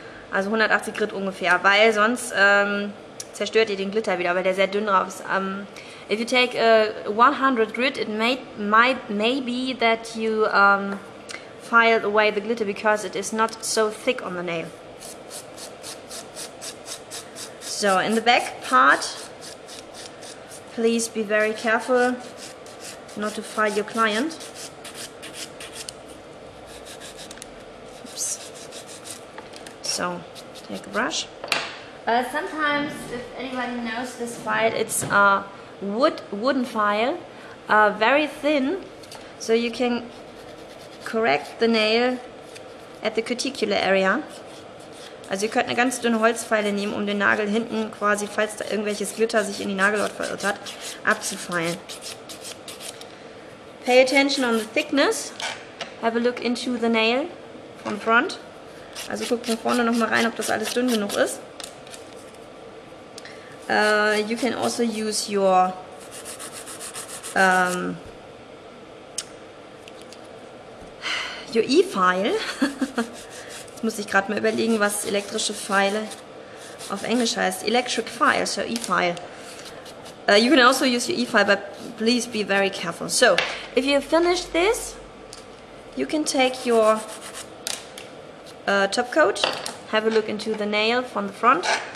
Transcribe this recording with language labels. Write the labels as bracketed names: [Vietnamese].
[German] Also 180 grit ungefähr, weil sonst zerstört ihr den Glitter wieder, weil der sehr dünn drauf ist. [English] If you take a 100 grit, it may be that you file away the glitter because it is not so thick on the nail. So, in the back part, please be very careful not to file your client. Oops. So, take a brush. Sometimes, if anybody knows this file, it's wooden file, very thin, so you can correct the nail at the cuticular area. [German] Also ihr könnt eine ganz dünne Holzfeile nehmen, um den Nagel hinten quasi, falls da irgendwelches Glitter sich in die Nagelhaut verirrt hat, abzufeilen. [English] Pay attention on the thickness. Have a look into the nail from front. [German] Also guckt von vorne nochmal rein, ob das alles dünn genug ist. [English] You can also use your your e-file [German] Jetzt muss ich gerade mal überlegen, was elektrische Pfeile auf Englisch heißt. [English] Electric file, so e-file. You can also use your e-file, but please be very careful. So, if you finish this, you can take your top coat, have a look into the nail from the front.